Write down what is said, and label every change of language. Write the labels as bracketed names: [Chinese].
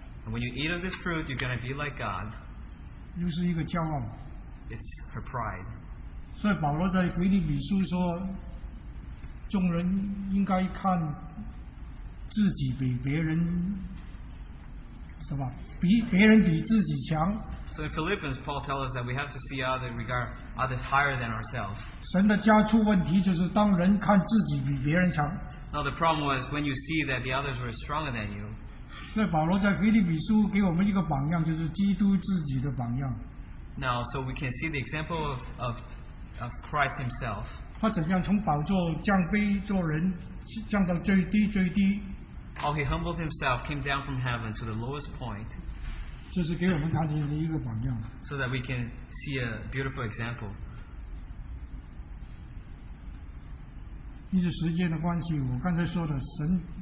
[English] And when you eat of this fruit, you're going to be like God. [Chinese] 又是一个骄傲。 [English] It's her pride. [Chinese] 所以保罗在腓立比书说， 众人应该看自己比别人， 是吧？别人比自己强。 [English] So in Philippians, Paul tells us that we have to see others regard others higher than ourselves. [Chinese] 神的家畜问题就是当人看自己比别人强。 [English] Now the problem was when you see that the others were stronger than you. [Chinese] 所以保罗在腓立比书给我们一个榜样，就是基督自己的榜样。 [English] Now, so we can see the example of Christ Himself. [Chinese] 他怎样从宝座降卑做人，降到最低最低。 [English] How He humbled Himself, came down from heaven to the lowest point. [Chinese] 这是给我们看见的一个榜样。 [English] So that we can see a beautiful example. [Chinese] 因为时间的关系，我刚才说的神。